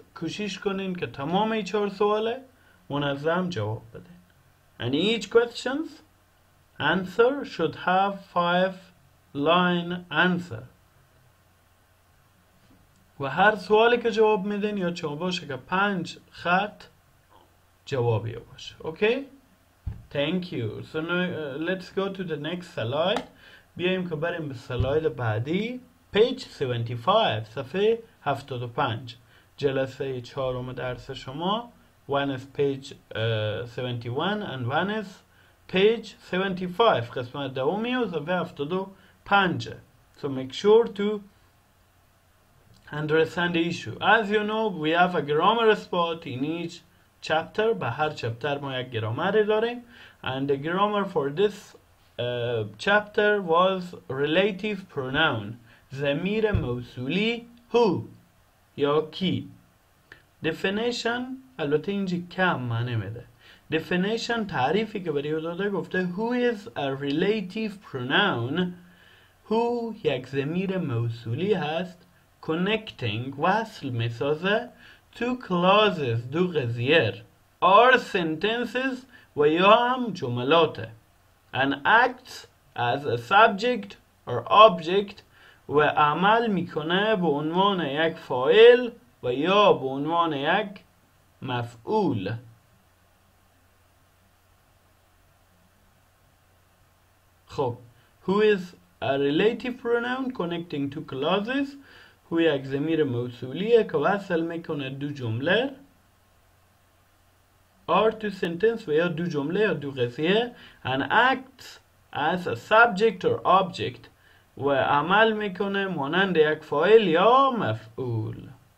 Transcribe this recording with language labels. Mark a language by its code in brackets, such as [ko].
[fa] کوشش کنین که تمام این چهار سواله منظم جواب بدین. [en] And each question's answer should have five line answer. [fa] و هر سوالی که جواب میدین یا چه باشه که پنج خط جوابی باشه. [en] Okay? Thank you. So now let's go to the next slide. [fa] بیایم که بریم به سلاید بعدی. [en] Page 75. [fa] صفحه 75. جلسه چهارم درس شما. [en] One is page 71 and one is page 75. [fa] قسمت دومی و صفحه 75. [en] So make sure to understand the issue. As you know, we have a grammar spot in each chapter. [fa] به هر چپتر ما یک گرامر داریم. [en] And the grammar for this chapter was relative pronoun. [fa] ضمیر موصولی who یا کی. Definition, البته اینجا کم معنی میده. Definition, تعریفی که برای داده گفته [en] who is a relative pronoun. [fa] Who یک ضمیر موصولی هست. Connecting, وصل میسازه. [en] Two clauses, [fa] دو قضیر. [en] Are sentences [fa] و یا هم جملاته. [en] And acts as a subject or object [fa] و عمل میکنه به عنوان یک فاعل و یا به عنوان یک مفعول. [en] خب who is a relative pronoun connecting two clauses. [fa] Who یک ضمیر موصولیه که وصل میکنه دو جمله. [en] Are two sentences [fa] یا دو جمله یا دو قضیه. [en] And acts as a subject or object [fa] و عمل میکنه مانند یک فاعل یا مفعول.